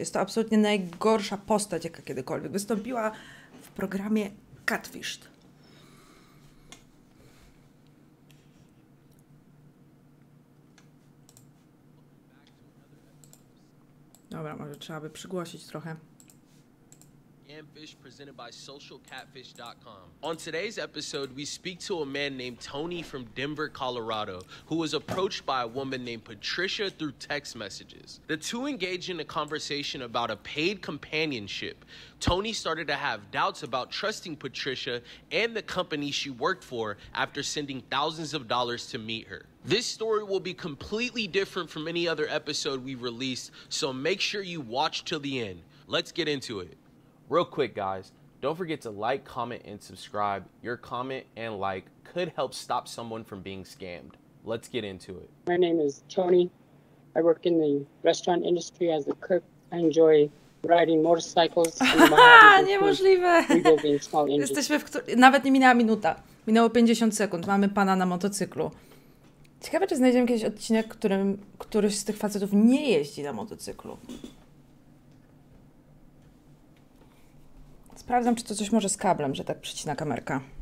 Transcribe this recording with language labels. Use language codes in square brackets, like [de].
[pl] Jest to absolutnie najgorsza postać, jaka kiedykolwiek wystąpiła w programie Catfished. Dobra, może trzeba by przygłosić trochę. [en] Catfish presented by socialcatfish.com. On today's episode, we speak to a man named Tony from Denver, Colorado, who was approached by a woman named Patricia through text messages. The two engaged in a conversation about a paid companionship. Tony started to have doubts about trusting Patricia and the company she worked for after sending thousands of dollars to meet her. This story will be completely different from any other episode we released, so make sure you watch till the end. Let's get into it. Real quick, guys, don't forget to like, comment, and subscribe. Your comment and like could help stop someone from being scammed. Let's get into it. My name is Tony. I work in the restaurant industry as a cook. I enjoy riding motorcycles. [pl] Niemożliwe! Jesteśmy w Nawet nie minęła minuta. Minęło 50 sekund. Mamy pana na motocyklu. Ciekawe, czy znajdziemy jakiś odcinek, w którym któryś z tych facetów nie jeździ na motocyklu. Sprawdzam, czy to coś może z kablem, że tak przycina kamerka.